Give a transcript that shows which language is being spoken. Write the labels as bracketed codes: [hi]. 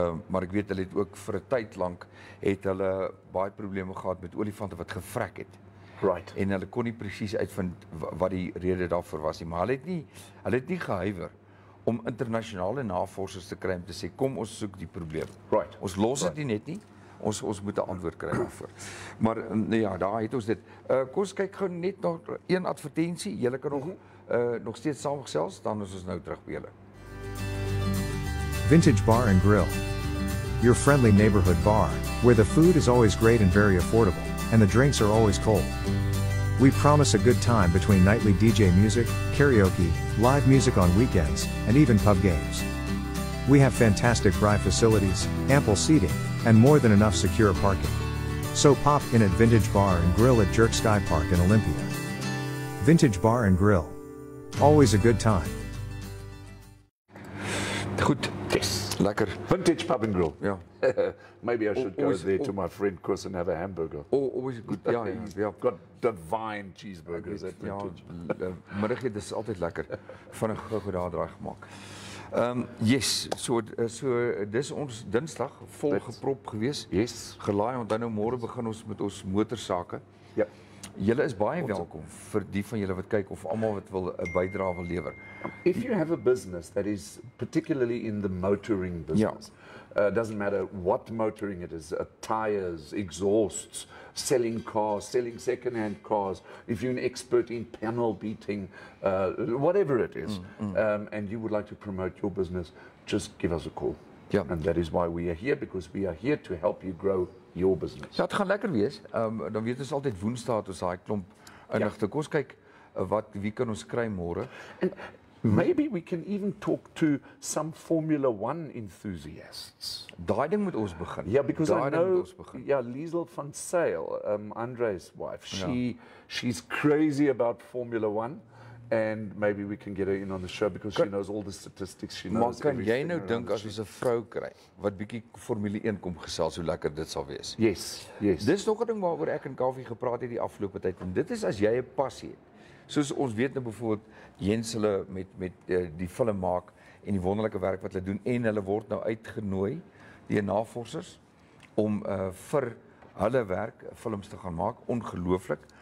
[af] Maar ek weet hulle het ook vir 'n tyd lank het hulle baie probleme gehad met olifante wat gevrek het. [en] Right. [af] En hulle kon nie presies uitvind wat die rede daarvoor was nie, maar hulle het nie gehuiwer om internasionale navorsers te kry om te sê kom ons soek die probleem. [en] Right. [af] Ons los dit net nie. Ons moet 'n antwoord kry daarvoor. Maar ja, daar het ons dit. Kom ons kyk gou net na een advertensie. Julle kan nog steeds saamgesels, dan is ons nou terug by julle. [en] Vintage Bar and Grill. Your friendly neighborhood bar where the food is always great and very affordable and the drinks are always cold. We promise a good time between nightly DJ music, karaoke, live music on weekends, and even pub games. We have fantastic dry facilities, ample seating, and more than enough secure parking. So pop in at Vintage Bar and Grill at Jerk Sky Park in Olympia. Vintage Bar and Grill. Always a good time. [af] Goed. [en] Yes. [af] Lekker. [en] Vintage Pub and Grill. Yeah. Maybe I should go there to my friend Chris and have a hamburger. Oh, always a good time. Yeah, yeah. We've got divine cheeseburgers at Vintage. [af] Middagete is altijd lekker. Van een goeie daadraai gemaakt. Yes, so dis ons Dinsdag vol geprop gewees. [en] Yes. [af] Gelaai, want dan nou môre begin ons met ons motorsake. Ja. Julle is baie welkom vir die van julle wat kyk of almal wat wil 'n bydrae wil lewer. [en] If you have a business that is particularly in the motoring business. Ja. Doesn't matter what motoring it is, tires, exhausts, selling cars, selling second-hand cars, if you're an expert in panel beating, whatever it is, and you would like to promote your business, just give us a call. Yeah. And that is why we are here, because we are here to help you grow your business. [af] Ja, het gaan lekker wees. Dan weet ons altyd woensdag het ons daai klomp inligting. Ons kyk wie kan ons kry môre. [en] Maybe we can even talk to some Formula One enthusiasts. [af] Daai ding moet ons begin. [en] Yeah, because I know. Yeah, Liesel van Sale, Andre's wife. She's crazy about Formula One, and maybe we can get her in on the show because she knows all the statistics. She knows everything. [af] Maar kan jy nou dink as ons 'n vrou kry wat bietjie Formule 1 kom gesels, hoe lekker dit sal wees? [en] Yes, yes. [af] Dis nog 'n ding waaroor ek en Kaufeee gepraat het die afgelope tyd, en dit is as jy 'n passie het. Soos ons weet nou byvoorbeeld Jens hulle met die film maak en die wonderlike werk wat hulle doen en hulle word nou uitgenooi die navorsers om vir hulle werk films te gaan maak. Ongelooflik.